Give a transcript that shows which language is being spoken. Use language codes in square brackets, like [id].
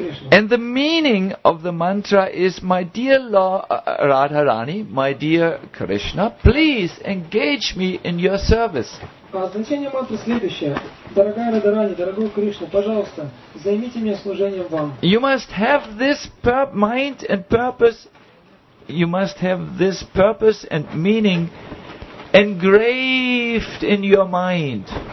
[en] And the meaning of the mantra is, my dear Radharani, my dear Krishna, please engage me in your service. [ru] Значение мантры следующее. Дорогая Радхарани, дорогой Кришна, пожалуйста, займите меня служением вам. [en] You must have this mind and purpose. You must have this purpose and meaning engraved in your mind.